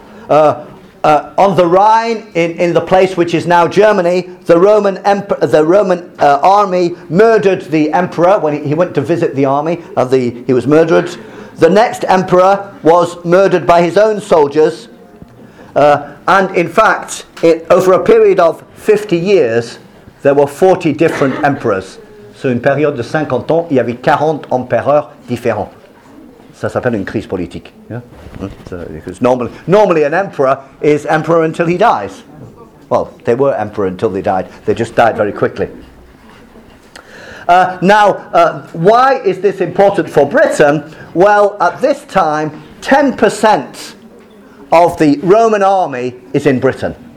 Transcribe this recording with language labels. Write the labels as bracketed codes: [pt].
[en] On the Rhine, in the place which is now Germany, the Roman army murdered the emperor when he went to visit the army. He was murdered. The next emperor was murdered by his own soldiers. And in fact, over a period of 50 years, there were 40 different emperors. So in a period of [fr] 50 ans, il y avait 40 empereurs différents. Ça s'appelle une crise politique. [en] Because normally an emperor is emperor until he dies. Well, they were emperor until they died. They just died very quickly. Now, why is this important for Britain? Well, at this time, 10% of the Roman army is in Britain.